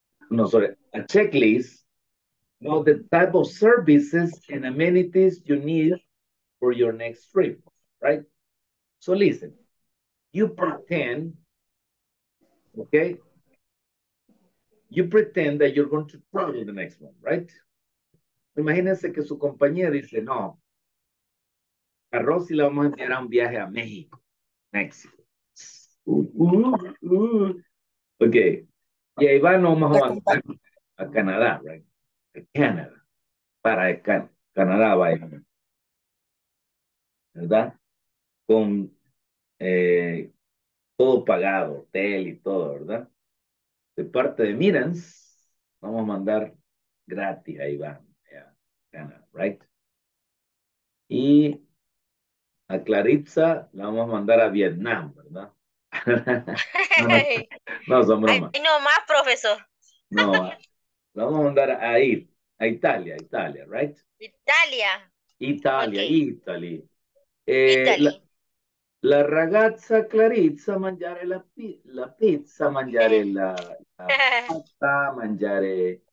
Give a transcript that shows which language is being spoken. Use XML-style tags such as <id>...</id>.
<en>No, sorry, a checklist about the type of services and amenities you need for your next trip, right? So listen, you pretend that you're going to travel the next one, right?</en> <es>Imagínense que su compañía dice, no, a Rosy la vamos a enviar a un viaje a México, Mexico. Okay, y ahí va, no, más o menos, a Canadá, right? A Canadá, para Canadá va, ¿verdad? Con todo pagado, hotel y todo, ¿verdad? De parte de Mirans, vamos a mandar gratis a Iván, ¿right? Y a Claritza la vamos a mandar a Vietnam, ¿verdad? No, son bromas. No más, profesor. No, la vamos a mandar a Italia, ¿right? Italia. Okay.</es> <it>La ragazza Clarizza mangiare la pizza, mangiare la pasta, mangiare...</it>